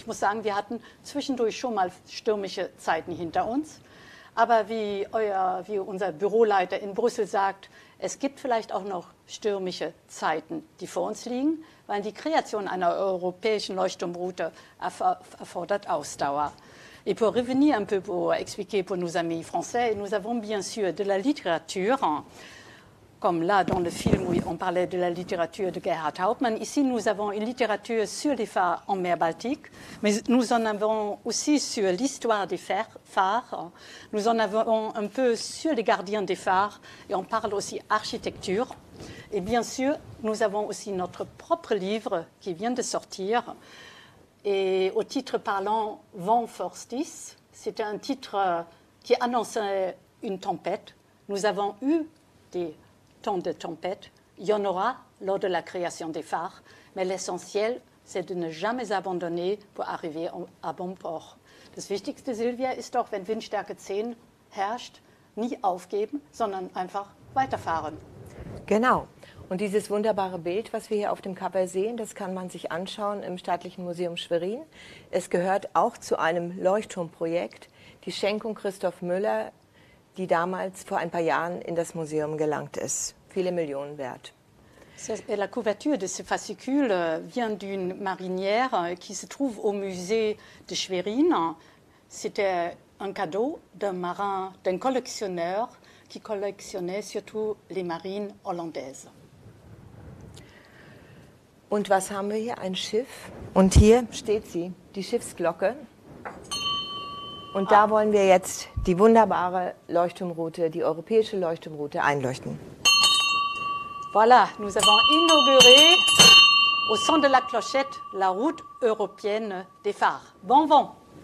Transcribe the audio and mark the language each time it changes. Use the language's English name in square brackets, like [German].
[German] Ich muss sagen, wir hatten zwischendurch schon mal stürmische Zeiten hinter uns. Aber wie unser Büroleiter in Brüssel sagt, es gibt vielleicht auch noch stürmische Zeiten, die vor uns liegen, weil die Kreation einer europäischen Leuchtturmroute erfordert Ausdauer. [French] Et pour revenir un peu pour expliquer pour nos amis français, nous avons bien sûr de la littérature, comme là dans le film où on parlait de la littérature de Gerhard Hauptmann. Ici, nous avons une littérature sur les phares en mer Baltique, mais nous en avons aussi sur l'histoire des phares. Nous en avons un peu sur les gardiens des phares et on parle aussi architecture. Et bien sûr, nous avons aussi notre propre livre qui vient de sortir. Et au titre parlant Vent Force 10, c'était un titre qui annonçait une tempête. Nous avons eu des temps de tempête. Il y en aura lors de la création des phares. Mais l'essentiel, c'est de ne jamais abandonner pour arriver à bon port. [German] Das Wichtigste, Sylvia, ist doch, wenn Windstärke 10 herrscht, nie aufgeben, sondern einfach weiterfahren. Genau. Und dieses wunderbare Bild, was wir hier auf dem Cover sehen, das kann man sich anschauen im Staatlichen Museum Schwerin. Es gehört auch zu einem Leuchtturmprojekt, die Schenkung Christoph Müller, die damals vor ein paar Jahren in das Museum gelangt ist. Viele Millionen wert. [French] La couverture de ce fascicule vient d'une marinière qui se trouve au musée de Schwerin. C'était un cadeau d'un marin, d'un collectionneur qui collectionnait surtout les marines hollandaises. [German] Und was haben wir hier? Ein Schiff. Und hier steht sie, die Schiffsglocke. Und da wollen wir jetzt die wunderbare Leuchtturmroute, die europäische Leuchtturmroute, einleuchten. [French] Voilà, nous avons inauguré au son de la clochette la route européenne des phares. Bon vent.